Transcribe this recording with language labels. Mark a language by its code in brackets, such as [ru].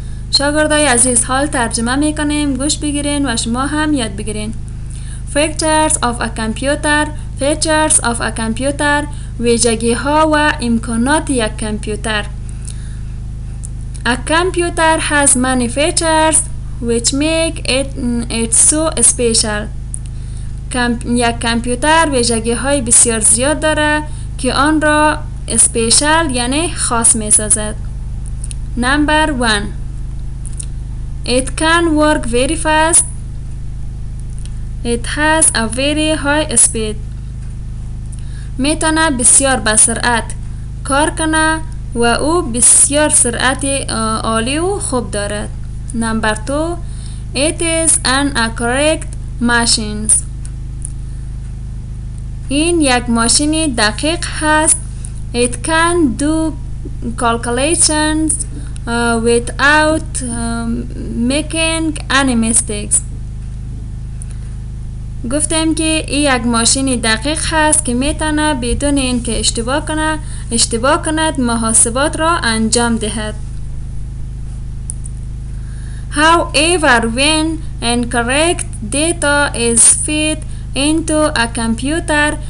[fa] شاگردای عزیز، حال ترجمه میکنیم، گوش بگیرین و شما هم یاد بگیرین. [en] Features of a computer. Features of a computer. [fa] ویژگی ها و امکانات یک کامپیوتر. [en] A computer has many features which make it so special. [fa] یک کامپیوتر ویژگی های بسیار زیاد داره که آن را special یعنی خاص می سازد. [en] Number one, it can work very fast. It has a very high speed. [fa] می تانه بسیار به سرعت کار کنه و او بسیار سرعت عالی و خوب دارد. [en] Number two, it is an accurate machine. [fa] این یک ماشین دقیق هست. [en] It can do calculations without making any mistakes. [fa] گفتم که این یک ماشین دقیق هست که میتونه بدون اینکه اشتباه کند محاسبات را انجام دهد. [en] However, when incorrect data is fed into a computer,